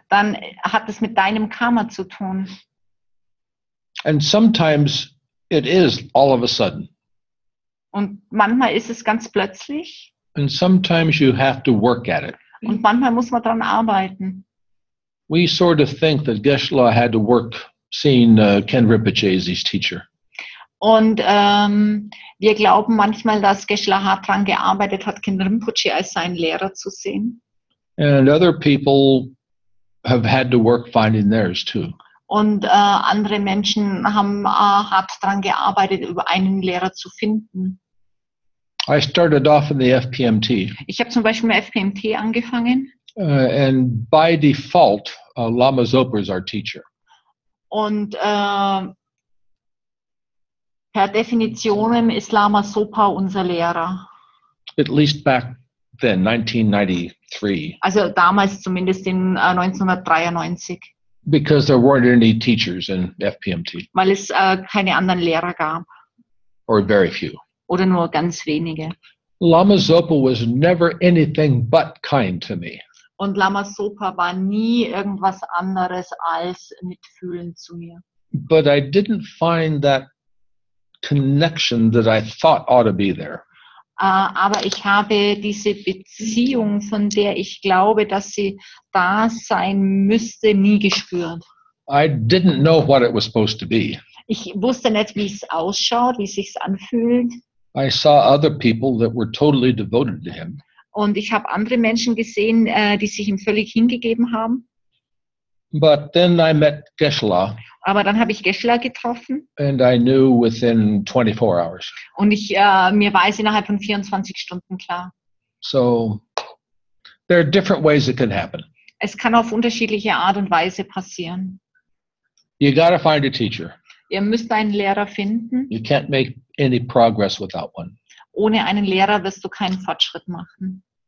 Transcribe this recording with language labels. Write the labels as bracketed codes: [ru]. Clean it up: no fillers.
[de] Dann hat es mit deinem Karma zu tun. [en] And sometimes it is all of a sudden. [de] Und manchmal ist es ganz plötzlich. [en] And sometimes you have to work at it. [de] Und manchmal muss man dran arbeiten. [en] We sort of think that Geshe-la had to work seeing Ken Rinpoche as his teacher. [de] Und wir glauben manchmal, dass Geshe-la hart dran gearbeitet hat, Ken Rinpoche als seinen Lehrer zu sehen. [en] And other people have had to work finding theirs too. [de] Und andere Menschen haben hart dran gearbeitet, über einen Lehrer zu finden. [en] I started off in the FPMT. [de] Ich habe zum Beispiel mit FPMT angefangen. [en] And by default, Lama Zopa is our teacher. [de] Und per Definitionem ist Lama Zopa unser Lehrer. [en] At least back then, 1993. [de] Also damals zumindest in 1993. [en] Because there weren't any teachers in FPMT. [de] Weil es keine anderen Lehrer gab. [en] Or very few. [de] Oder nur ganz wenige. [en] Lama Zopa was never anything but kind to me. [de] Und Lama Zopa war nie irgendwas anderes als mitfühlend zu mir. [en] But I didn't find that connection that I thought ought to be there. [de] Aber ich habe diese Beziehung, von der ich glaube, dass sie da sein müsste, nie gespürt. [en] I didn't know what it was supposed to be. [de] Ich wusste nicht, wie es ausschaut, wie es sich anfühlt. [en] I saw other people that were totally devoted to him. [de] Und ich habe andere Menschen gesehen, die sich ihm völlig hingegeben haben. [en] But then I met Geshe-la. [de] Aber dann habe ich Geshe-la getroffen. [en] And I knew within 24 hours. [de] Und ich mir war es innerhalb von 24 Stunden klar. [en] So there are different ways it can happen. [de] Es kann auf unterschiedliche Art und Weise passieren. [en] You gotta find a teacher. [de] Ihr müsst einen Lehrer finden. [en] You can't make any progress without one. [de] Ohne einen Lehrer wirst du keinen Fortschritt machen.